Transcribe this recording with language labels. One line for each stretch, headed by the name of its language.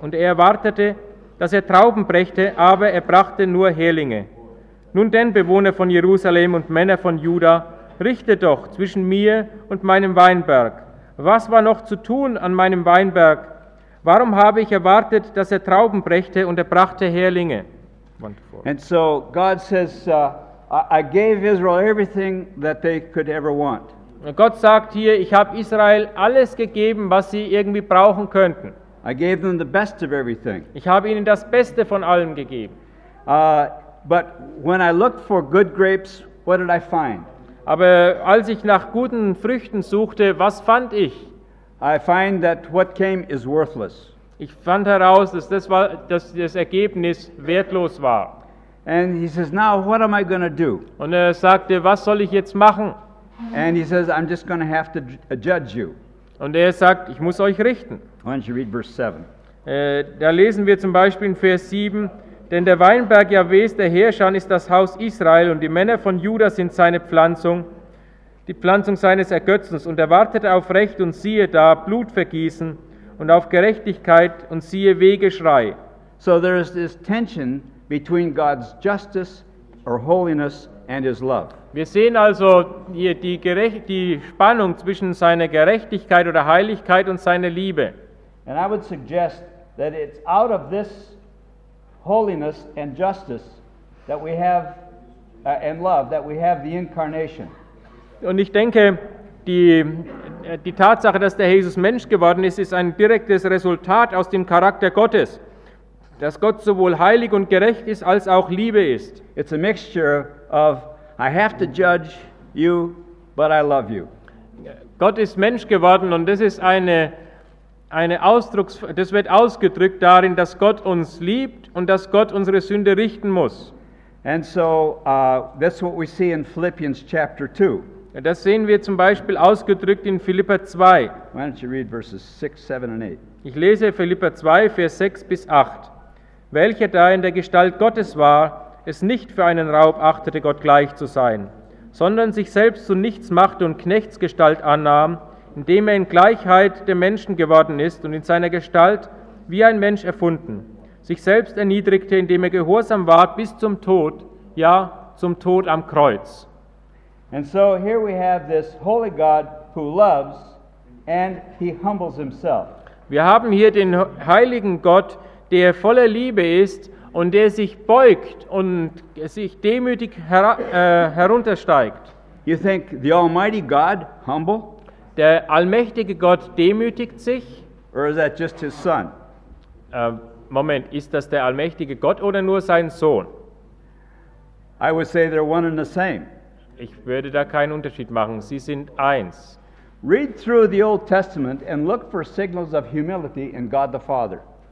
German: Und erwartete, dass Trauben brächte, aber brachte nur Heerlinge. Nun denn, Bewohner von Jerusalem und Männer von Juda, richtet doch zwischen mir und meinem Weinberg. Was war noch zu tun an meinem Weinberg? Warum habe ich erwartet, dass Trauben brächte und brachte Heerlinge?
English: And so God says, I gave Israel everything that they could ever want.
German: Gott sagt hier, ich habe Israel alles gegeben, was sie irgendwie brauchen könnten.
English: I gave them the best of everything.
German: Ich habe ihnen das Beste von allem gegeben.
English: But when I looked for good grapes, what did I find?
German: Aber als ich nach guten Früchten suchte, was fand ich?
English: I find that what came is worthless.
German: Ich fand heraus, dass das war, dass das Ergebnis wertlos war.
English: And he says, now what am I going to do?
German: Und er sagte, was soll ich jetzt machen?
English: And he says, I'm just going to have to judge you.
German: Und er sagt, ich muss euch richten.
English: Why don't you read verse 7?
German: Da lesen wir zum Beispiel in Vers 7, denn der Weinberg Jahwes, der Herrscher, ist das Haus Israel und die Männer von Juda sind seine Pflanzung, die Pflanzung seines Ergötzens. Und er wartete auf Recht und siehe da, Blutvergießen, und auf Gerechtigkeit und siehe, Wehgeschrei.
English: So there is this tension between God's justice or holiness and his love.
German: Wir sehen also hier die Spannung zwischen seiner Gerechtigkeit oder Heiligkeit und seiner Liebe.
English: And I would suggest that it's out of this holiness and justice that we have and love that we have the incarnation.
German: Und ich denke, die Tatsache, dass der Jesus Mensch geworden ist, ist ein direktes Resultat aus dem Charakter Gottes, dass Gott sowohl heilig und gerecht ist als auch Liebe ist.
English: It's a mixture of I have to judge you, but I love you.
German: Gott ist Mensch geworden und das ist eine Ausdrucks, das wird ausgedrückt darin, dass Gott uns liebt und dass Gott unsere Sünde richten muss.
English: And so that's what we see in Philippians chapter 2.
German: Das sehen wir zum Beispiel ausgedrückt in Philipper 2.
English: Why don't you read verses 6, 7 and 8?
German: Ich lese Philipper 2, Vers 6 bis 8. Welcher da in der Gestalt Gottes war, es nicht für einen Raub achtete, Gott gleich zu sein, sondern sich selbst zu nichts machte und Knechtsgestalt annahm, indem er in Gleichheit der Menschen geworden ist und in seiner Gestalt wie ein Mensch erfunden, sich selbst erniedrigte, indem er gehorsam ward bis zum Tod, ja, zum Tod am Kreuz.
English: And so here we have this holy God who loves and he humbles himself.
German: Wir haben hier den heiligen Gott, der voller Liebe ist und der sich beugt und sich demütig heruntersteigt.
English: You think the almighty God humble?
German: Der allmächtige Gott demütigt sich?
English: Or is that just his son?
German: Moment, ist das der allmächtige Gott oder nur sein Sohn?
English: I would say they're one and the same.
German: Ich würde da keinen Unterschied machen. Sie sind eins.
English: Read through the Old Testament and look for signals of humility in God the Father.